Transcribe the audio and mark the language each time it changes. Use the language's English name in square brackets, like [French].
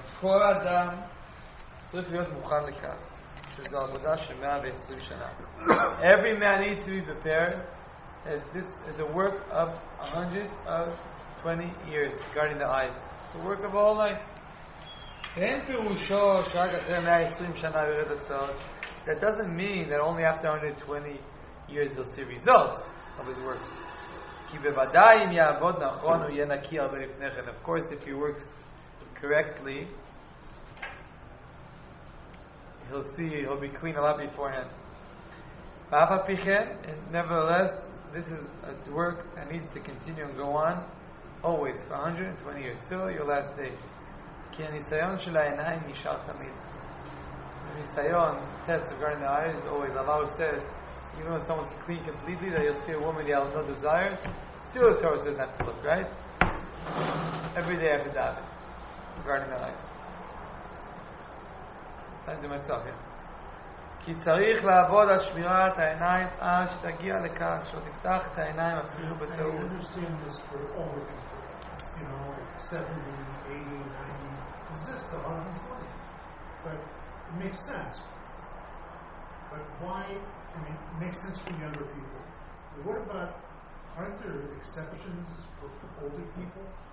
[Hebrew] כל אדם צריך להיות מוכן לכך, שזו עבודה של 120 שנה. [English] Every man needs to be prepared. This is a work of 120 years guarding the eyes. It's a work of all night. [Hebrew] אין פירושו שרק אחרי 120 שנה ירד הצעות. [English] That doesn't mean that only after 120 years you'll see results of his work. [Hebrew] כי בוודאי אם יעבוד נכון הוא יהיה נקי הרבה לפני כן. [English] Of course, if he works correctly, he'll see, he'll be clean a lot beforehand. [Hebrew] ואף על פי כן, [English] nevertheless, this is a work that needs to continue and go on always for 120 years. So your last day. [Hebrew] כי הניסיון של העיניים נשאר תמיד. [English] הניסיון, test regarding the eyes, always. Allah said, even when someone's clean completely, that you'll see a woman that has no desire, still the Torah says not to look, right? Every day after that, regarding the eyes. I do myself, yeah. [Hebrew] כי צריך לעבוד על שמירת העיניים עד שתגיע לכך, שלא תפתח את העיניים אפילו בטעות. [English] I understand this for all the people, you know, 70, 80, 90, resist the 120. But it makes sense. But why, I mean, it makes sense for younger people. But what about, aren't there exceptions for older people?